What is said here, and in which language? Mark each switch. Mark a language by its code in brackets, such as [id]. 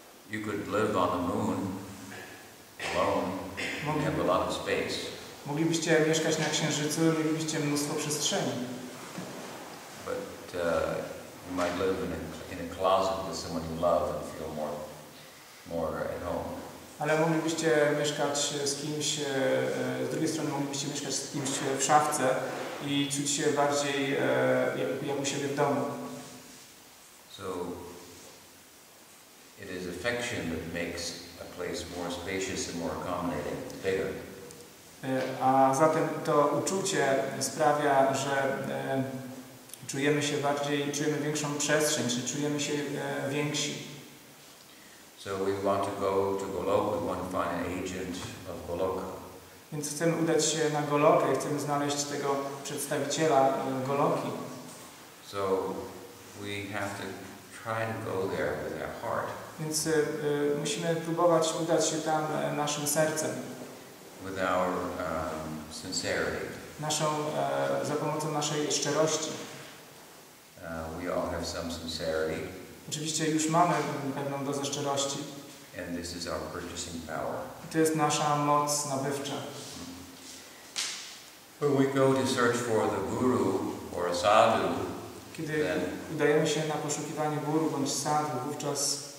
[en] You could live on the moon alone. You have a lot of space. [pl] Moglibyście mieszkać na Księżycu, mielibyście mnóstwo przestrzeni. [en] But you might live in a closet with someone you love and feel more at home. [pl] Ale moglibyście mieszkać z kimś, z drugiej strony moglibyście mieszkać z kimś w szafce i czuć się bardziej jak u siebie w domu. [en] So it is affection that makes a place more spacious and more accommodating, bigger. [pl] A zatem to uczucie sprawia, że czujemy się bardziej, czujemy większą przestrzeń, czy czujemy się więksi. [en] So we want to go to Goloka, we want to find an agent of Goloka. [pl] Więc chcemy udać się na Golokę, chcemy znaleźć tego przedstawiciela Goloki. [en] So we have to try and go there with our heart. [pl] Więc musimy próbować udać się tam naszym sercem. [en] With our sincerity. [pl] Naszą za pomocą naszej szczerości. [en] We all have some sincerity. [pl] Oczywiście już mamy pewną dozę szczerości. [en] And this is our purchasing power. [pl] To jest nasza moc nabywcza. [en] When we go to search for the guru or a sadhu, [pl] kiedy udajemy się na poszukiwanie guru bądź sadhu, wówczas